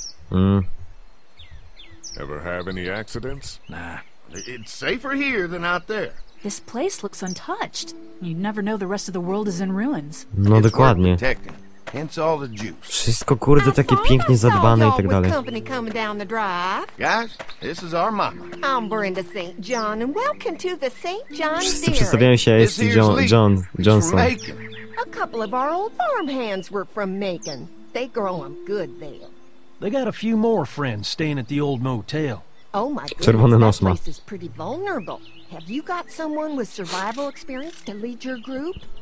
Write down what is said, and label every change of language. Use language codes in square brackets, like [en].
[en] Ever have any accidents? Nah. It's safer here than out there. This place looks untouched. You'd never know the rest of the world is in ruins. [pl] No, dokładnie. [en] Hence all the juice. [pl] Wszystko kurde takie pięknie zadbane i tak dalej. [en] Company coming down the drive. Guys, this is our mama. I'm Brenda St. John, and welcome to the St. John Dairy. [pl] Wszyscy przedstawiają się, jest John Johnson. [en] A couple of our old farmhands were from Macon. They grow them good there. They got a few more friends staying at the old motel. Oh my goodness, that place is pretty vulnerable. Have you got someone with survival experience to lead your group?